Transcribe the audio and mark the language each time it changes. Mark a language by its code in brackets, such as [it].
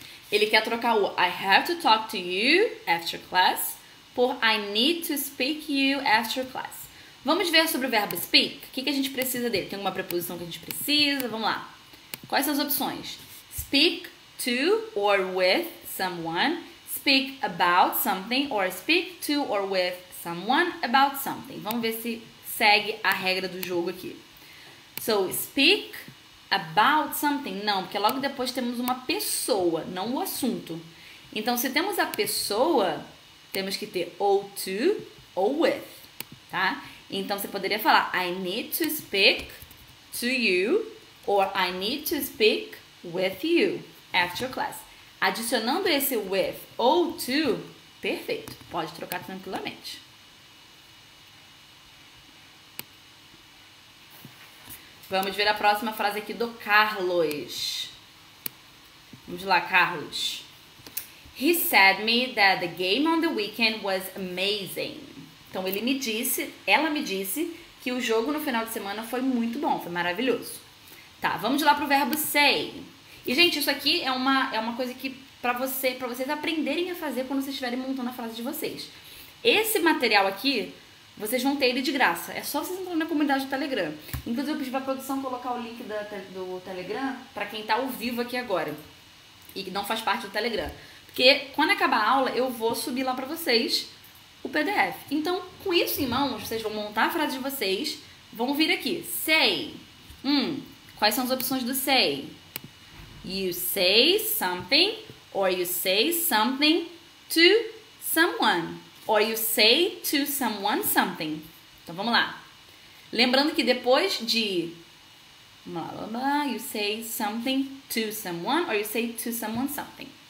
[pt] Ele quer trocar o [en] I have to talk to you after class por I need to speak you after class. [pt] Vamos ver sobre o verbo speak. O que que a gente precisa dele? Tem alguma preposição que a gente precisa? Vamos lá. Quais são as opções? [en] Speak to or with someone. Speak about something. Or speak to or with someone about something. [pt] Vamos ver se segue a regra do jogo aqui. [en] So, speak about something. [pt] Não, porque logo depois temos uma pessoa, não o assunto. Então, se temos a pessoa, temos que ter ou to ou with, tá? Então, você poderia falar, [en] I need to speak to you. Or, I need to speak with you after class. [pt] Adicionando esse with ou to, perfeito. Pode trocar tranquilamente. Vamos ver a próxima frase aqui do Carlos. Vamos lá, Carlos. [en] He said me that the game on the weekend was amazing. [pt] Então, ele me disse, ela me disse que o jogo no final de semana foi muito bom, foi maravilhoso. Tá, vamos lá pro verbo say. E, gente, isso aqui é uma coisa que pra vocês aprenderem a fazer quando vocês estiverem montando a frase de vocês. Esse material aqui, vocês vão ter ele de graça. É só vocês entrarem na comunidade do Telegram. Inclusive, eu pedi pra produção colocar o link do Telegram pra quem tá ao vivo aqui agora. E que não faz parte do Telegram. Porque quando acabar a aula, eu vou subir lá pra vocês o PDF. Então, com isso em mãos, vocês vão montar a frase de vocês. Vão vir aqui. Say. Quais são as opções do say? [en] You say something or you say something to someone. Or you say to someone something. [pt] Então, vamos lá. Lembrando que depois de... [en] Blá, blá, blá, you say something to someone or you say to someone something.